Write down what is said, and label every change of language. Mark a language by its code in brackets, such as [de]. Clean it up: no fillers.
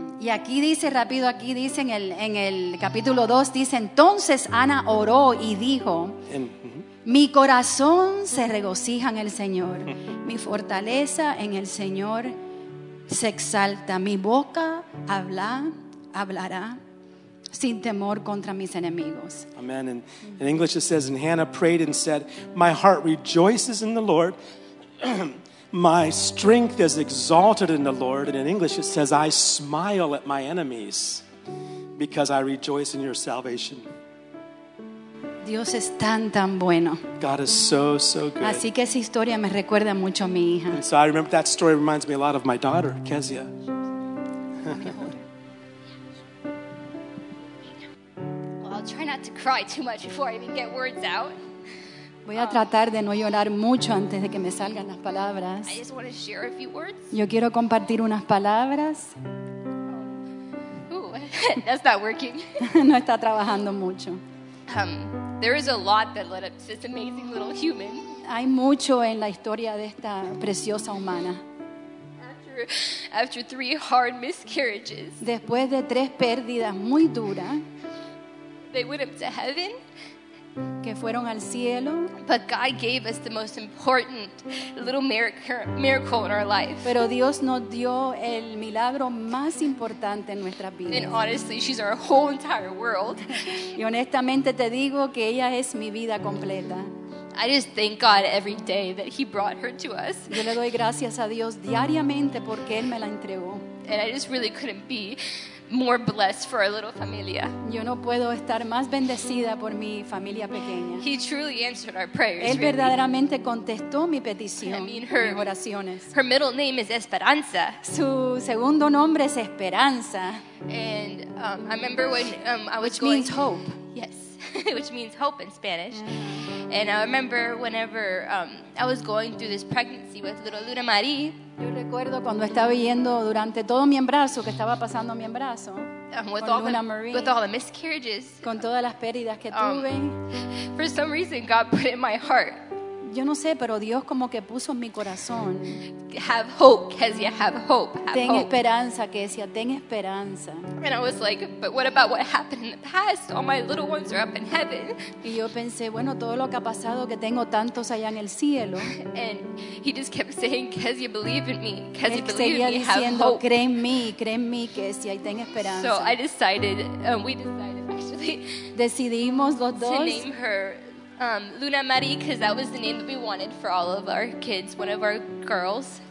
[es] Y aquí dice rápido, aquí dice en el capítulo 2 dice, entonces Ana oró y dijo, mi corazón se regocija en el Señor, mi fortaleza en el Señor se exalta, mi boca hablará sin temor contra mis enemigos. Amen. [en] And in English it says, and Hannah prayed and said, my heart rejoices in the Lord. My strength is exalted in the Lord. And in English it says, I smile at my enemies because I rejoice in your salvation. [es] Dios es tan, tan bueno. [en] God is so, so good. [es] Así que esa historia me recuerda mucho a mi hija. [en] And so I remember that story reminds me a lot of my daughter, Kezia. Well, I'll try not to cry too much before I even get words out. [es] Voy a tratar de no llorar mucho antes de que me salgan las palabras. [en] I just want to share a few words. [es] Yo quiero compartir unas palabras. [en] Ooh, that's not working. [es] No está trabajando mucho. [en] There is a lot that led up to this amazing little human. [es] Hay mucho en la historia de esta preciosa humana. [en] After three hard miscarriages. [es] Después de tres pérdidas muy duras. [en] They went up to heaven. [es] Que fueron al cielo. [en] But God gave us the most important little miracle in our life. [es] Pero Dios nos dio el milagro más importante en nuestras vidas. [en] And honestly, she's our whole entire world. [es] Y honestamente te digo que ella es mi vida completa. [en] I just thank God every day that He brought her to us. [es] Yo le doy gracias a Dios diariamente porque Él me la entregó. [en] And I just really couldn't be more blessed for our little familia. [es] Yo no puedo estar más bendecida por mi familia pequeña. [en] He truly answered our prayers. [es] Él verdaderamente contestó mi petición, mis oraciones. [en] Her middle name is Esperanza. [es] Su segundo nombre es Esperanza. [en] And I remember when I was going. Which means hope. Yes, which means hope in Spanish. And I remember whenever I was going through this pregnancy with little Lunamarie. [es] Yo recuerdo cuando estaba yendo durante todo mi embarazo, que estaba pasando mi embarazo [en] con Lunamarie, with all the miscarriages, [es] con todas las pérdidas que tuve. [en] For some reason, God put it in my heart. [es] Yo no sé, pero Dios como que puso en mi corazón. [en] Have hope, Kezia, have hope. Have [es] ten [en] hope. [es] Esperanza, Kezia, ten esperanza. [en] And I was like, but what about what happened in the past? All my little ones are up in heaven. [es] Y yo pensé, bueno, todo lo que ha pasado, que tengo tantos allá en el cielo. [en] And he just kept saying, Kezia, believe in me. Kezia, believe [es] seguía [en] in me, [es] diciendo, [en] have hope. [es] Cree en mí, Kezia, y ten esperanza. [en] So I decided, we decided actually. [es] Decidimos los dos. [en] To name her. Lunamarie, because that was the name that we wanted for all of our kids, one of our girls.